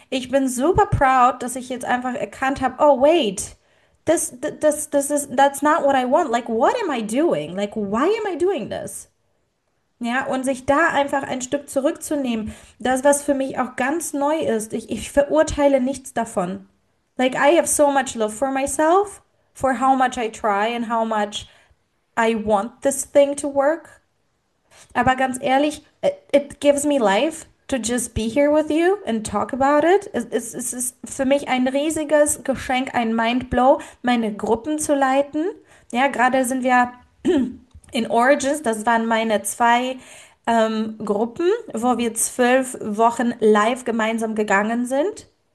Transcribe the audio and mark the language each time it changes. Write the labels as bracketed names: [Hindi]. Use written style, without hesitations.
[German] Ich bin super proud, dass ich jetzt einfach erkannt habe, [English] oh, wait. That's not what I want. Like, what am I doing? Like, why am I doing this? [German] Ja, und sich da einfach ein Stück zurückzunehmen. Das, was für mich auch ganz neu ist, ich verurteile nichts davon. [English] Like, I have so much love for myself, for how much I try and how much I want this thing to work. [German] Aber ganz ehrlich, [English] it gives me life to just be here with you and talk about it. [German] Es ist für mich ein riesiges Geschenk, ein Mindblow, meine Gruppen zu leiten. Ja, gerade sind wir in Origins, das waren meine zwei Gruppen, wo wir 12 Wochen live gemeinsam gegangen sind.